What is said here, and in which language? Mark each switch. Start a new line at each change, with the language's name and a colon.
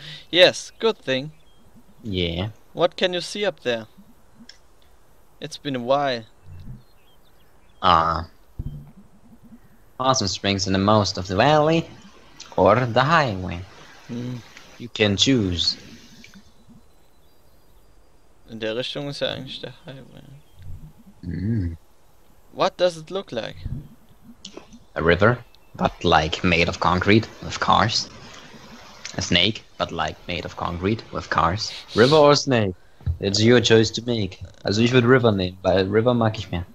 English: Yes, good thing. Yeah. What can you see up there? It's been a while. Awesome springs in the most of the valley or the highway. You can choose.
German: In der Richtung ist ja eigentlich der Highway. Mm.
English: What does it look like? A river, but like made of concrete with cars. A snake, but like made of concrete with cars. River or snake? It's your choice to make.
German: Also ich würde River nehmen, weil River mag ich mehr.